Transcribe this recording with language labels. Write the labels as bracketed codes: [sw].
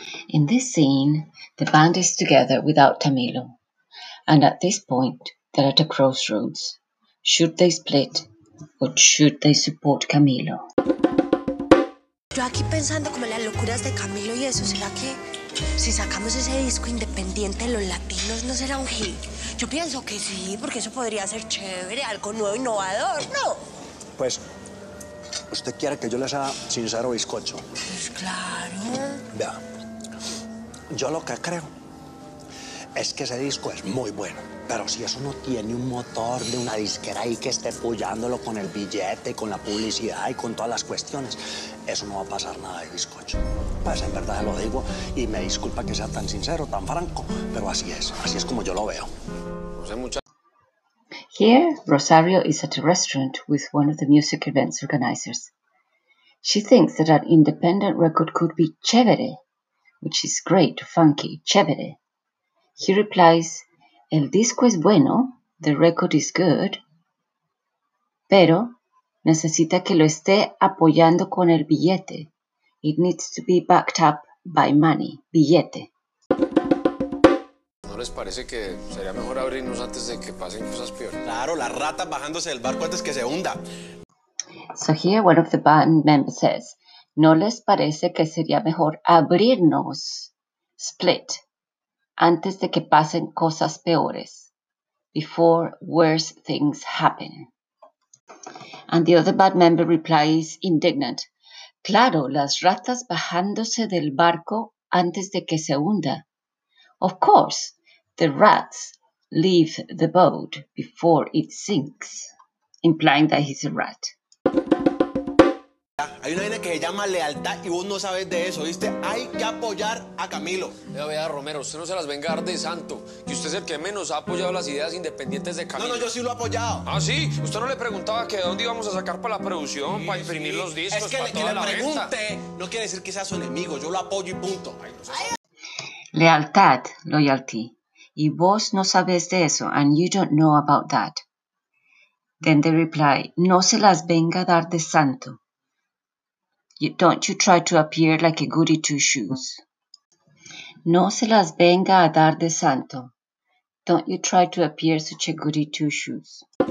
[en] In this scene, the band is together without Tamilo, and at this point, they're at a crossroads. Should they split, or should they support Camilo? [es] Yo aquí pensando como las locuras de Camilo y eso, ¿será que si sacamos ese disco independiente de los latinos no será un hit? Yo pienso que sí, porque eso podría ser chévere, algo nuevo, innovador, ¿no? Pues, usted quiere que yo les haga sincero bizcocho. Pues claro. Vea. Yo lo que creo es que ese disco es muy bueno, pero si eso no tiene un motor de una disquera ahí que esté pullándolo con el billete, con la publicidad y con todas las cuestiones, eso no va a pasar nada de bizcocho. Pues en verdad lo digo y me disculpa que sea tan sincero, tan franco, pero así es como yo lo veo. [en] Here, Rosario is at a restaurant with one of the music events organizers. She thinks that an independent record could be chévere, which is great, funky, chévere. He replies, [es] el disco es bueno, [en] the record is good, [es] pero necesita que lo esté apoyando con el billete. [en] It needs to be backed up by money, billete. [es] ¿No les parece que sería mejor abrirnos antes de que pasen cosas peores? Claro, las ratas bajándose del barco antes que se hunda. [en] So here one of the band members says, [es] ¿no les parece que sería mejor abrirnos, [en] split, [es] antes de que pasen cosas peores, [en] before worse things happen? And the other band member replies indignant, [es] claro, las ratas bajándose del barco antes de que se hunda. [en] Of course, the rats leave the boat before it sinks, implying that he's a rat. [es] Hay una vaina que se llama lealtad y vos no sabes de eso, ¿viste? Hay que apoyar a Camilo. Vea, vea, Romero, usted no se las venga a dar de santo, que usted es el que menos ha apoyado las ideas independientes de Camilo. No, no, yo sí lo he apoyado. ¿Ah, sí? ¿Usted no le preguntaba que de dónde íbamos a sacar para la producción, sí, para imprimir sí los discos, es que para le, toda que la venta? Es que le pregunte venta no quiere decir que sea su enemigo, yo lo apoyo y punto. Ay, no sé. Lealtad, loyalty. Y vos no sabes de eso, [en] and you don't know about that. Then they reply, [es] no se las venga a dar de santo. [en] Don't you try to appear like a goody two shoes. [es] No se las venga a dar de santo. [en] Don't you try to appear such a goody two shoes.